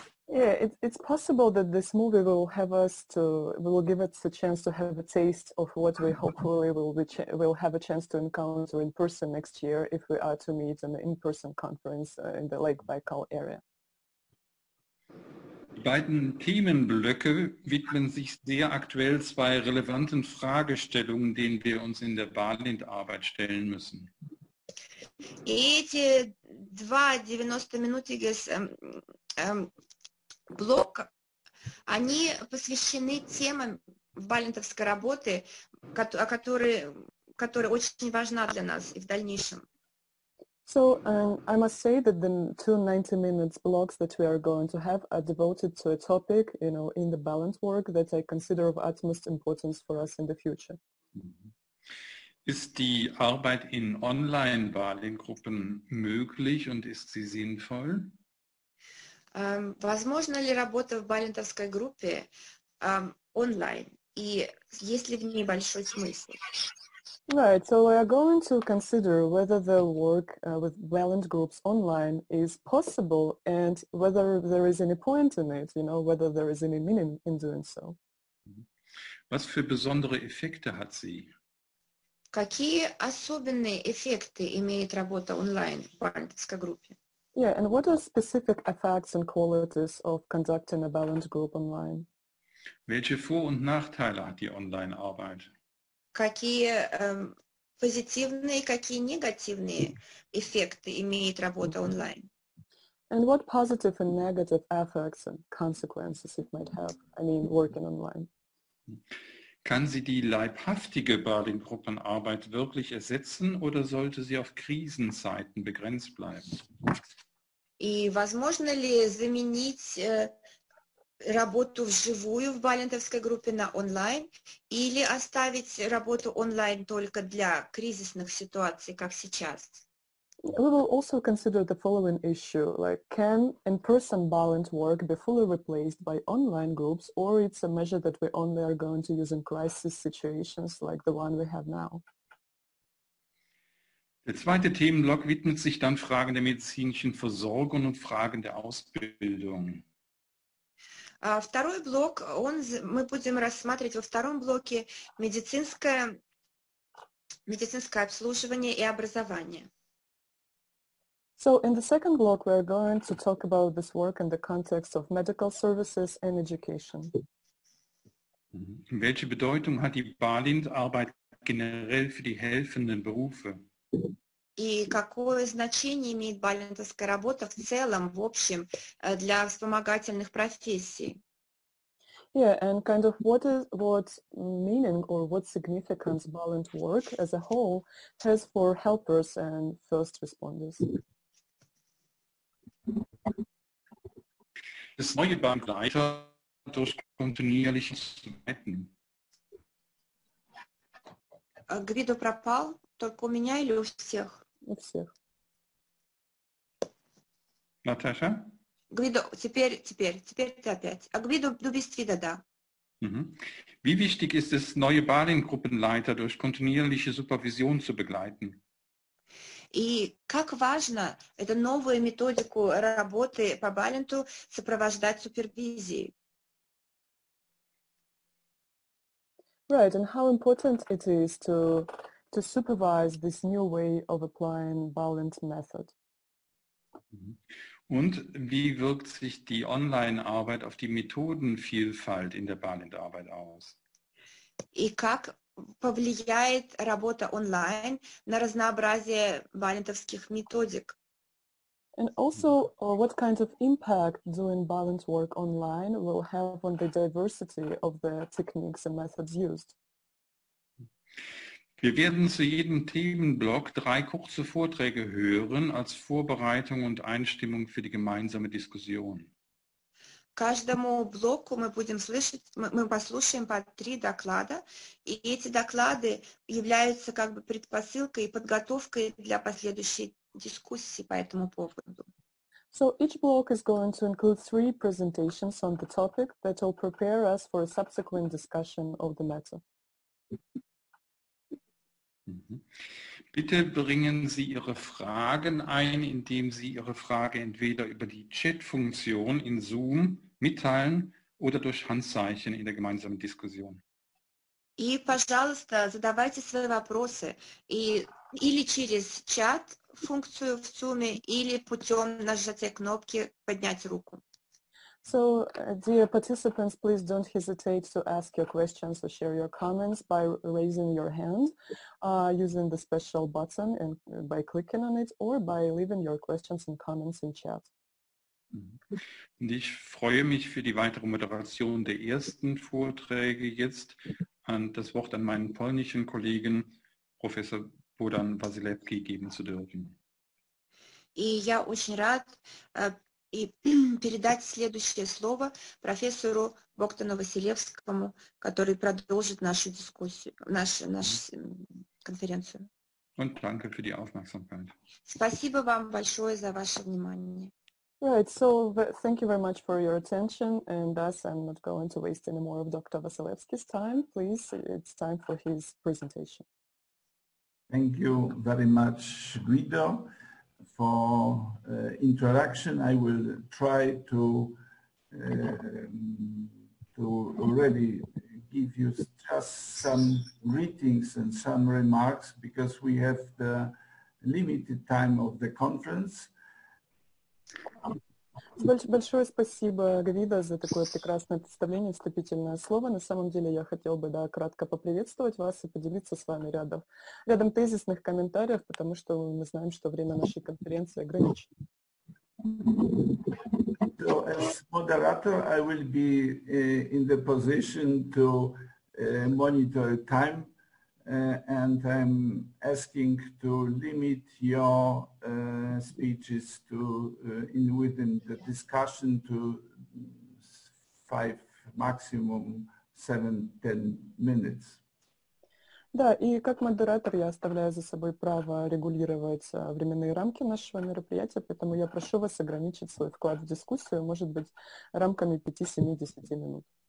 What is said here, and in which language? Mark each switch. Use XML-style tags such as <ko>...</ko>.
<en>Yeah, it's possible that this movie will give us a chance to have a taste of what we hopefully will have a chance to encounter in person next year if we are to meet an in-person conference in the Lake Baikal area.</en> <de>Die beiden Themenblöcke widmen sich sehr aktuell zwei relevanten Fragestellungen, denen wir uns in der Balint-Arbeit stellen müssen.</de> <ru>Эти два 90-минутige блок, они посвящены темам балинтовской работы, которая очень важна для нас и в дальнейшем.</ru> <en>So I must say that the two 90-minute blocks that we are going to have are devoted to a topic, you know, in the balance work that I consider of utmost importance for us in the future.</en> <de>Ist die Arbeit in Online-Baling-Gruppen möglich und ist sie sinnvoll?</de> <ru>Возможно ли работа в балентовской группе онлайн? И есть ли в ней большой смысл?</ru> <en>Right, so we are going to consider whether the work with valent groups online is possible and whether there is any point in it, you know, whether there is any meaning in doing so.</en> <de>Was für besondere Effekte hat sie?</de> <ru>Какие особенные эффекты имеет работа онлайн в балентовской группе?</ru> <en>Yeah, and what are specific effects and qualities of conducting a valent group online?</en> <de>Welche Vor- und Nachteile hat die Online-Arbeit?</de> <ru>Какие позитивные, какие негативные эффекты имеет работа онлайн?</ru> <en>And what positive and negative effects and consequences it might have, I mean, working online?</en> <de>Kann sie die leibhaftige Berlin-Gruppenarbeit wirklich ersetzen oder sollte sie auf Krisenzeiten begrenzt bleiben?</de> <ru>И возможно ли заменить работу вживую в балентовской группе на онлайн или оставить работу онлайн только для кризисных ситуаций, как сейчас?</ru> <en>We will also consider the following issue, like can in-person balent work be fully replaced by online groups or it's a measure that we only are going to use in crisis situations like the one we have now?</en> <de>Der zweite Themenblock widmet sich dann Fragen der medizinischen Versorgung und Fragen der Ausbildung.</de> <ru>Второй блок, он, мы будем рассматривать во втором блоке медицинское обслуживание и образование.</ru> <en>So in the second block we are going to talk about this work in the context of medical services and education.</en> <de>Welche Bedeutung hat die Balint-Arbeit generell für die helfenden Berufe?</de> <ru>И какое значение имеет балентовская работа в целом, в общем, для вспомогательных профессий?</ru> <en>Yeah, and kind of what meaning or what significance balent work as a whole has for helpers and first responders?</en> <de>Das neue Bahnleiter durch kontinuierliche Zeiten.</de> <ru>Гвидо пропал, только у меня или у всех? У всех. Наташа? Гвидо, теперь ты опять. А Гвидо,</ru> <de>du bist wieder da. Wie wichtig ist es, neue Balint-Gruppenleiter durch kontinuierliche Supervision zu begleiten?</de> <ru>И как важно эту новую методику работы по Балинту сопровождать супервизией?</ru> <en>Right, and how important it is to supervise this new way of applying Balint method.</en> <de>Und wie wirkt sich die Online-Arbeit auf die Methodenvielfalt in der Balint-Arbeit aus?</de> <ru>И как повлияет работа онлайн на разнообразие балентовских методик?</ru> <en>And also, what kind of impact doing Balint work online will have on the diversity of the techniques and methods used?</en> <de>Wir werden zu jedem Themenblock drei kurze Vorträge hören als Vorbereitung und Einstimmung für die gemeinsame Diskussion.</de> <ru>Каждому блоку мы будем слышать, мы послушаем по три доклада, и эти доклады являются как бы предпосылкой и подготовкой для последующей дискуссии по этому поводу.</ru> <en>So each block is going to include three presentations on the topic that will prepare us for a subsequent discussion of the matter.</en> <de>Bitte bringen Sie Ihre Fragen ein, indem Sie Ihre Frage entweder über die Chat-Funktion in Zoom mitteilen oder durch Handzeichen in der gemeinsamen Diskussion.</de> <ru>И, пожалуйста, задавайте свои вопросы или через чат-функцию в Zoom, или путем нажатия кнопки поднять руку.</ru> <en>So, dear participants, please don't hesitate to ask your questions or share your comments by raising your hand using the special button and by clicking on it or by leaving your questions and comments in chat.</en> <de>Und ich freue mich für die weitere Moderation der ersten Vorträge jetzt an das Wort an meinen polnischen Kollegen Professor Bohdan Wasilewski geben zu dürfen.</de> <ru>И я очень рад и передать следующее слово профессору Богдану Василевскому, который продолжит нашу дискуссию, нашу конференцию.</ru> <de>Und danke für die Aufmerksamkeit.</de> <ru>Спасибо вам большое за ваше внимание.</ru> <en>Right, so thank you very much for your attention, and thus I'm not going to waste any more of Dr. Vasilevsky's time. Please, it's time for his presentation. Thank you very much, Guido, for introduction. I will try to already give you just some greetings and some remarks, because we have the limited time of the conference.</en> <ru>Большое спасибо, Гвидо, за такое прекрасное представление, вступительное слово. На самом деле я хотел бы, да, кратко поприветствовать вас и поделиться с вами рядом тезисных комментариев, потому что мы знаем, что время нашей конференции ограничено.</ru> <en>So as moderator, I will be in the position to monitor time, and I'm asking to limit your speeches to within the discussion to 5, maximum 7-10 minutes.</en> <ru>Да, и как модератор я оставляю за собой право регулировать временные рамки нашего мероприятия, поэтому я прошу вас ограничить свой вклад в дискуссию, может быть, рамками 5-7-10 минут.</ru>